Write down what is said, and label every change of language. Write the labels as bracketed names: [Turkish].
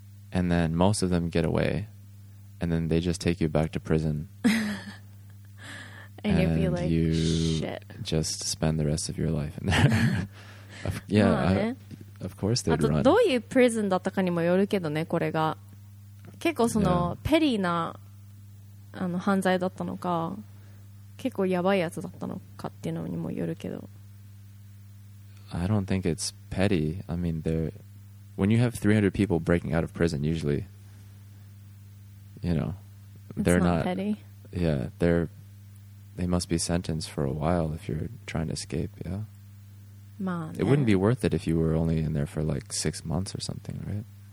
[English] And then most of them get away, and then they just take you back to prison. And you'd be like, you shit. Just spend the rest of your life in there. yeah, of course they'd run. [Japanese] あとどういうプリズンだったかにもよるけどね、これが。結構そのペリーなあの犯罪だったのか、結構やばいやつだったのかっていうのにもよるけど。 [English] I don't think it's petty. I mean, when you have 300 people breaking out of prison, usually, you know, they're not petty. Yeah, they must be sentenced for a while if you're trying to escape, yeah? [Japanese] まあね。 [English] It wouldn't be worth it if you were only in there for like 6 months or something, right?